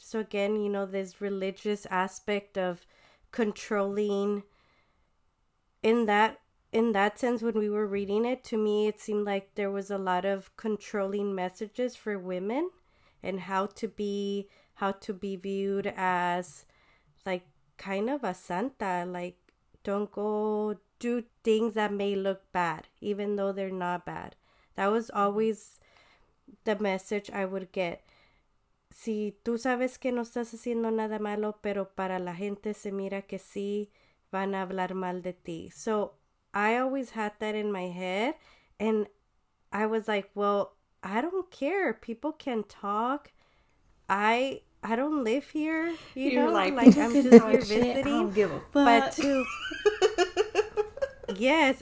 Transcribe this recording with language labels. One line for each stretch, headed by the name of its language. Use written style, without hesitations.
English: So again, you know, this religious aspect of controlling, in that sense, when we were reading it, to me, it seemed like there was a lot of controlling messages for women and how to be viewed as like kind of a santa, like don't go do things that may look bad, even though they're not bad. That was always the message I would get.
Spanish: Si tú sabes que no estás haciendo nada malo, pero para la gente se mira que sí, van a hablar mal de ti.
English: So I always had that in my head. And I was like, well, I don't care. People can talk. I don't live here. You know, like I'm just here visiting. I don't give a fuck. But to, yes.